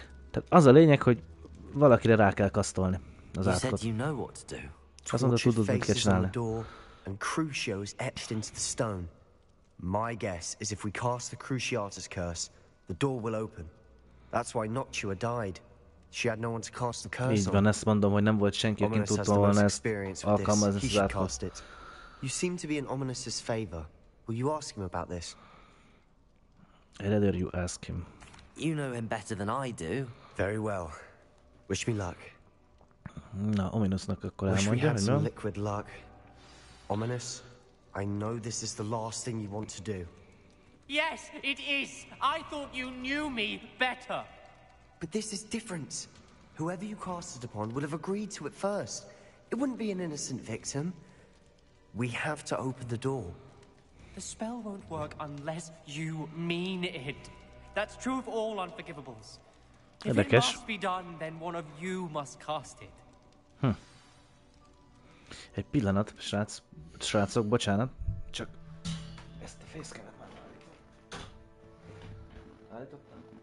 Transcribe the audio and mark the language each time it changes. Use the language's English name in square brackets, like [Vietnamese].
[Hungarian] Tehát az a lényeg, hogy valakire rá kell kasztolni az átkot. [English] You said you know what to do. [Hungarian] Azt mondta, tudod, mit kell csinálni. [English] And Crucio is etched into the stone. My guess is if we cast the Cruciatus curse, the door will open. That's why Noctua died. She had no one to cast the curse on. [Hungarian] Így van, ezt mondom, hogy nem volt senki, aki tudta volna ezt alkalmazni az átkot. [English] You seem to be in Ominous's favor. Will you ask him about this? Rather you ask him. You know him better than I do. Very well. Wish me luck. [Hungarian] Na, Ominousnak akkor elmondja, hogy no? [English] Liquid luck. Ominous, I know this is the last thing you want to do. Yes, it is. I thought you knew me better. But this is different. Whoever you cast it upon would have agreed to it first. It wouldn't be an innocent victim. We have to open the door. The spell won't work unless you mean it. That's true of all unforgivables. If it must be done, then one of you must cast it. [Hungarian] Egy pillanat, srácok, bocsánat, csak ezt a fészkemet már állítottam.